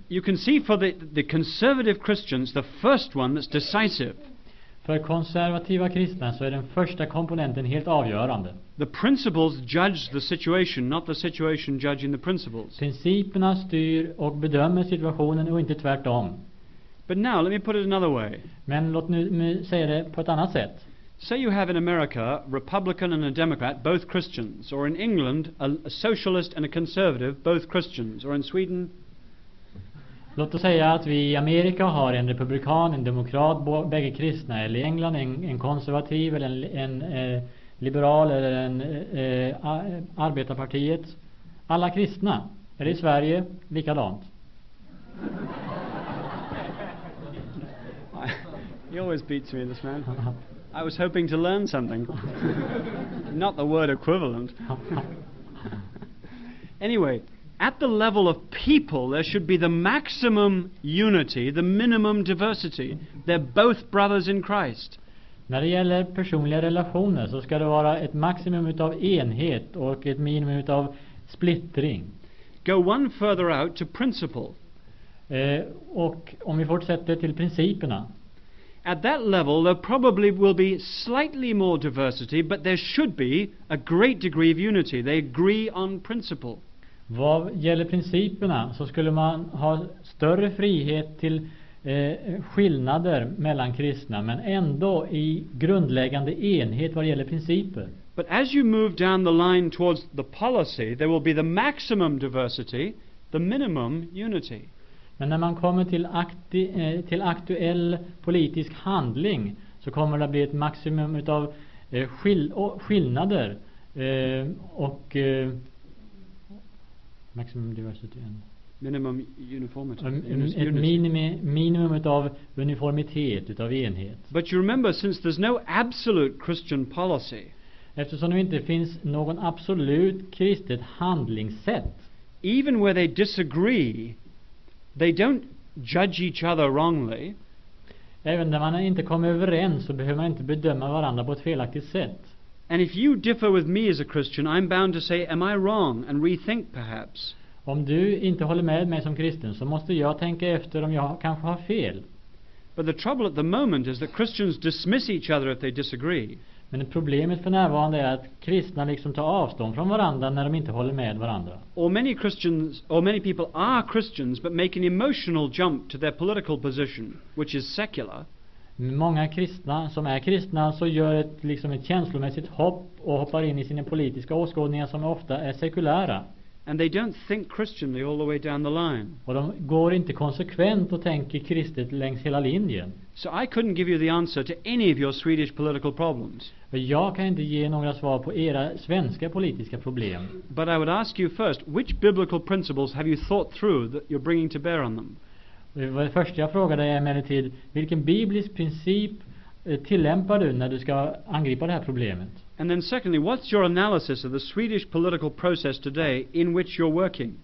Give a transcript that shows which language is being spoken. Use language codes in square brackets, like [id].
[en] You can see for the conservative Christians, the first one that's decisive. [sv] För konservativa kristna så är den första komponenten helt avgörande. [en] The principles judge the situation, not the situation judging the principles. [sv] Principerna styr och bedömer situationen och inte tvärtom. [en] But now let me put it another way. [sv] Men låt nu säga det på ett annat sätt. [en] Say you have in America Republican and a Democrat, both Christians, or in England a socialist and a conservative, both Christians, or in Sweden. [sv] Låt oss säga att vi i Amerika har en republikan, en demokrat, bägge kristna, eller i England en konservativ, eller en liberal, eller en arbetarpartiet. Alla kristna. Eller i Sverige, likadant. [en] He always beats me, this man. I was hoping to learn something. Not the word equivalent. Anyway, at the level of people there should be the maximum unity, the minimum diversity. They're both brothers in Christ. [sv] När det gäller personliga relationer så ska det vara ett maximum utav enhet och ett minimum utav splittring. [en] go one further out to principle. [sv] Och om vi fortsätter till principerna. [en] At that level there probably will be slightly more diversity, but there should be a great degree of unity. They agree on principle. [sv] Vad gäller principerna så skulle man ha större frihet till skillnader mellan kristna, men ändå i grundläggande enhet vad gäller principer. [en] But as you move down the line towards the policy, there will be the maximum diversity, the minimum unity. [sv] Men när man kommer till till aktuell politisk handling, så kommer det bli ett maximum utav skillnader och [en] maximum diversity and minimum uniformity. [sv] Minimum utav uniformitet, utav enhet. [en] But you remember, since there's no absolute Christian policy. [sv] Eftersom det inte finns någon absolut kristet handlingssätt. [en] Even where they disagree, they don't judge each other wrongly. [sv] Även när man inte kommer överens, så behöver man inte bedöma varandra på ett felaktigt sätt. [en] And if you differ with me as a Christian, I'm bound to say, am I wrong, and rethink perhaps. [sv] Om du inte håller med mig som kristen, så måste jag tänka efter om jag kanske har fel. [en] But the trouble at the moment is that Christians dismiss each other if they disagree. [sv] Men problemet för närvarande är att kristna liksom tar avstånd från varandra när de inte håller med varandra. [en] Or many people are Christians but make an emotional jump to their political position, which is secular. [sv] Många kristna som är kristna så gör ett liksom ett känslomässigt hopp och hoppar in i sina politiska åskådningar som ofta är sekulära. [en] And they don't think Christianly all the way down the line. [sv] Och de går inte konsekvent och tänker kristet längs hela linjen. [en] So I couldn't give you the answer to any of your Swedish political problems. [sv] Jag kan inte ge några svar på era svenska politiska problem. [en] But I would ask you first, which biblical principles have you thought through that you're bringing to bear on them? [sv] Det första jag frågade är emellertid, vilken biblisk princip tillämpar du när du ska angripa det här problemet? [en] And then secondly, what's your analysis of the Swedish political process today in which you're working?